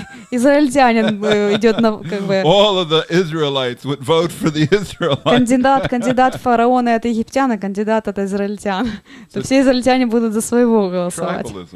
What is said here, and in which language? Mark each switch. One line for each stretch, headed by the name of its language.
Russian: Израильтянин идет на как бы.
English: All of the Israelites would vote for the Israelites.
Russian: Кандидат фараона от египтяна, кандидат от израильтян. То все израильтяне будут за своего голосовать.